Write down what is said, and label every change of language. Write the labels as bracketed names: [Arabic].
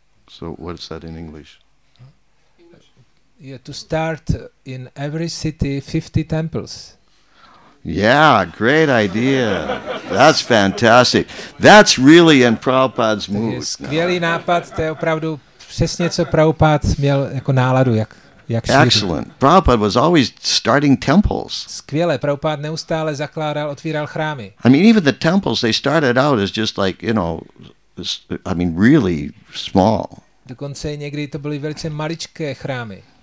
[English] So what is that in English? To start in every city 50 temples. Yeah, great idea. That's fantastic. That's really in Prabhupada's mood. [Czech] Skvělý nápad, to je opravdu přesně, co Prabhupád měl jako náladu, jak šířit. [English] Excellent. Prabhupada was always starting temples. [Czech] Skvěle, Prabhupada neustále zakládal, otvíral chrámy. [English] I mean, even the temples, they started out as just like, you know, I mean, really small. [Czech] Dokonce někdy to byly velice maličké chrámy.